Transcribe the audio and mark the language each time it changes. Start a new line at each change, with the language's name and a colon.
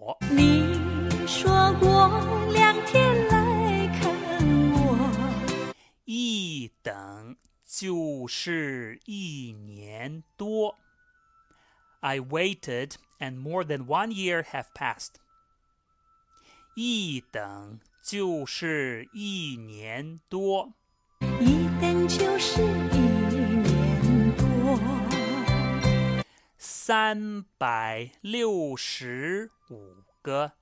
Chinese: 你说过两天来看我，一等就是一年多。
English: I waited and more than 1 year have passed.
Chinese: 一等就是一年多，一等就是一年多，365个。